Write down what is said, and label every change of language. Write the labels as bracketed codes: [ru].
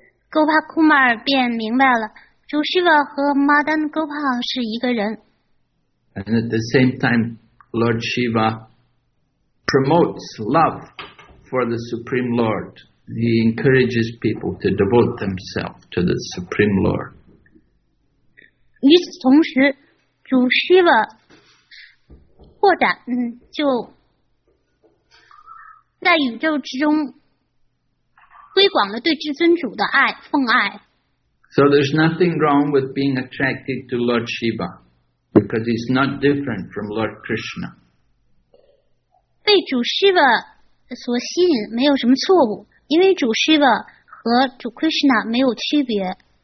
[zh] Gop Kumar 便明白了，主 Shiva 和 Madan Gopal 是一个人。 [en] And at the same time, Lord Shiva promotes love for the Supreme Lord. He encourages people to devote themselves to the Supreme Lord. [zh] 与此同时，主 Shiva 扩展，就在宇宙之中推广了对至尊主的爱，奉爱。 [en] So there's nothing wrong with being attracted to Lord Shiva because he's not different from Lord Krishna. [zh] 被主 Shiva 所吸引没有什么错误，因为主 Shiva 和主 Krishna 没有区别。